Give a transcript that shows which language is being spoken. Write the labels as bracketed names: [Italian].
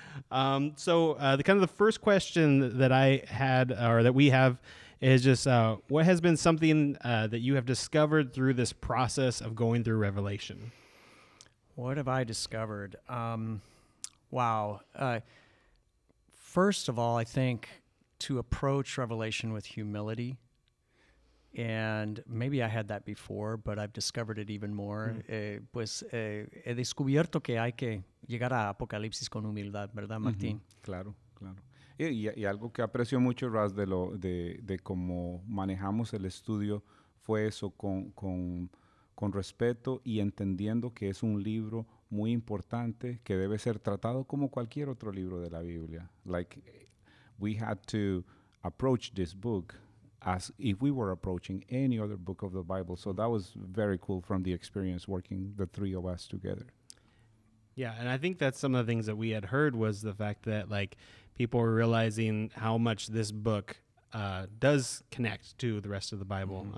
[English] the first question that I had or that we have is just what has been something that you have discovered through this process of going through Revelation? What have I discovered? First of all, I think to approach Revelation with humility. And maybe I had that before, but I've discovered it even more. [Spanish] He descubierto que hay que llegar a Apocalipsis con humildad, ¿verdad, Martín? Mm-hmm. Claro, claro. Y algo que aprecio mucho, Russ, de cómo manejamos el estudio fue eso, con respeto y entendiendo que es un libro muy importante que debe ser tratado como cualquier otro libro de la Biblia. [English] Like, we had to approach this book as if we were approaching any other book of the Bible. So that was very cool from the experience working the three of us together. Yeah, and I think that's some of the things that we had heard was the fact that like people were realizing how much this book does connect to the rest of the Bible. Mm-hmm.